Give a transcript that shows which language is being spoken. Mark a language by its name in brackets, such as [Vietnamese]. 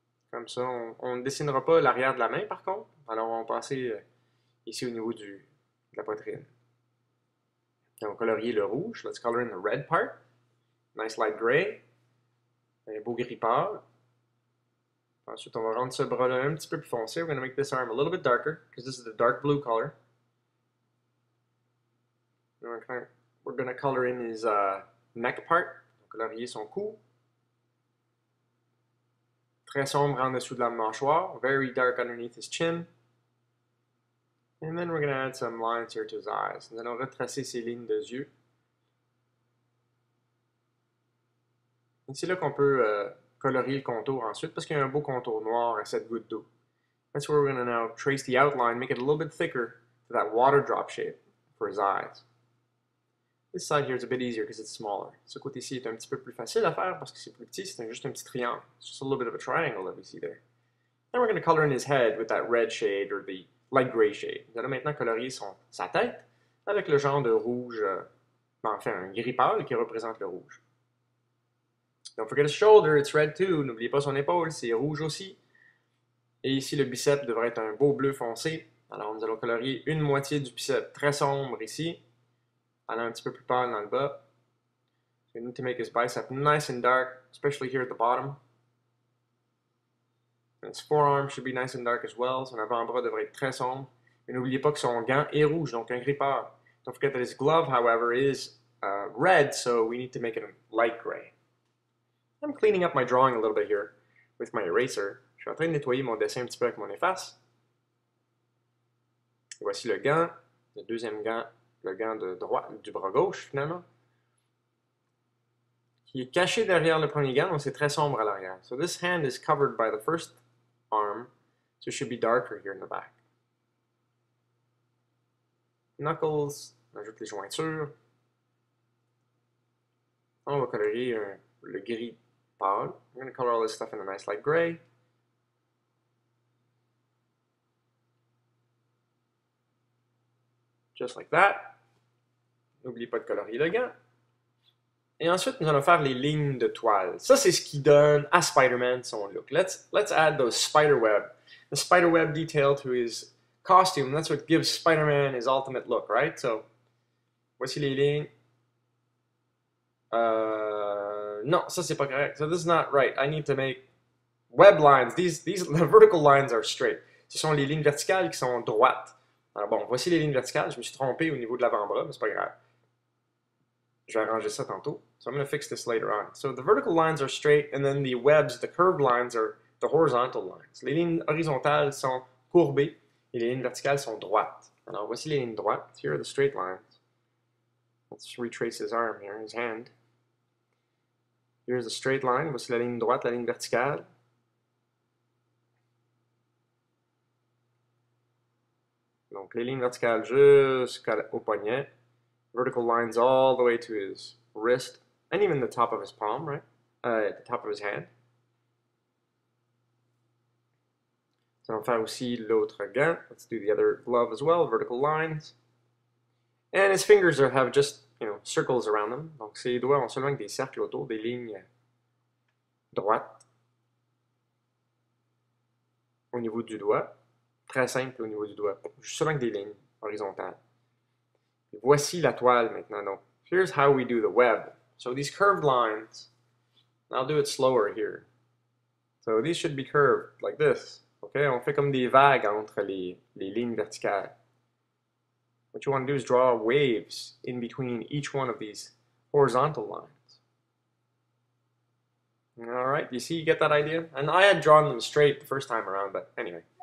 [French] Comme ça, on ne dessinera pas l'arrière de la main par contre. Alors, on va passer ici au niveau de la poitrine. Et on va colorier le rouge. [English] Let's color in the red part. Nice light gray. [French] Un beau gris pâle. Ensuite, on va rendre ce bras-là un petit peu plus foncé. [English] We're going to make this arm a little bit darker because this is the dark blue color. We're going to color in his neck part. [French] Colorier son cou. Très sombre en dessous de la mâchoire. [English] Very dark underneath his chin. And then we're going to add some lines here to his eyes. [French] Nous allons retracer ses lignes de yeux. Et c'est là qu'on peut colorier le contour ensuite, parce qu'il y a un beau contour noir à cette goutte d'eau. [English] That's where we're going to now trace the outline, make it a little bit thicker to that water drop shape for his eyes. This side here is a bit easier because it's smaller. [French] Ce côté-ci est un petit peu plus facile à faire parce que c'est plus petit, c'est juste un petit triangle. [English] It's just a little bit of a triangle that we see there. Then we're going to color in his head with that red shade or the light gray shade. [French] Nous allons maintenant colorier sa tête avec le genre de rouge, un gris pâle qui représente le rouge. [English] Don't forget his shoulder, it's red too. [French] N'oubliez pas son épaule, c'est rouge aussi. Et ici, le bicep devrait être un beau bleu foncé. Alors, nous allons colorier une moitié du bicep très sombre ici. Allant un petit peu plus pâle dans le bas. [English] So we need to make his bicep nice and dark, especially here at the bottom. And his forearm should be nice and dark as well. [French] Son avant-bras devrait être très sombre. Et n'oubliez pas que son gant est rouge, donc un grippeur. [English] Don't forget that his glove, however, is red, so we need to make it a light gray. I'm cleaning up my drawing a little bit here with my eraser. [French] Je suis en train de nettoyer mon dessin un petit peu avec mon efface. Et voici le gant, le deuxième gant. Le gant de droite, du bras gauche, finalement. Qui est caché derrière le premier gant, donc c'est très sombre à l'arrière. [English] So this hand is covered by the first arm, so it should be darker here in the back. [French] Knuckles, on ajoute les jointures. On va colorier le gris pâle. I'm going to color all this stuff in a nice light gray. [English] Just like that. [French] N'oublie pas de colorier le gant. Et ensuite, nous allons faire les lignes de toile. Ça, c'est ce qui donne à Spider-Man son look. [English] Let's add those spiderweb. The spiderweb detail to his costume. That's what gives Spider-Man his ultimate look, right? [French] So, voici les lignes. Non, ça, c'est pas correct. [English] So, this is not right. I need to make web lines. The vertical lines are straight. [French] Ce sont les lignes verticales qui sont droites. Alors bon, voici les lignes verticales. Je me suis trompé au niveau de l'avant-bras, mais c'est pas grave. Je vais arranger ça tantôt. [English] So I'm going to fix this later on. So the vertical lines are straight, and then the webs, the curved lines, are the horizontal lines. [French] Les lignes horizontales sont courbées, et les lignes verticales sont droites. Alors voici les lignes droites. [English] Here are the straight lines. Let's retrace his arm here, his hand. Here's the straight line. [French] Voici la ligne droite, la ligne verticale. Donc, les lignes verticales jusqu'au poignet. [English] Vertical lines all the way to his wrist. And even the top of his palm, right? The top of his hand. [French] Nous allons faire aussi l'autre gant. [English] Let's do the other glove as well. Vertical lines. And his fingers have just, you know, circles around them. [French] Donc, ces doigts ont seulement des cercles autour, des lignes droites au niveau du doigt. Très simple au niveau du doigt. Juste seulement des lignes horizontales. Et voici la toile maintenant. [English] Donc, here's how we do the web. So, these curved lines, I'll do it slower here. So, these should be curved like this. [French] Okay, on fait comme des vagues entre les lignes verticales. [English] What you want to do is draw waves in between each one of these horizontal lines. Alright, you see, you get that idea? And I had drawn them straight the first time around, but anyway.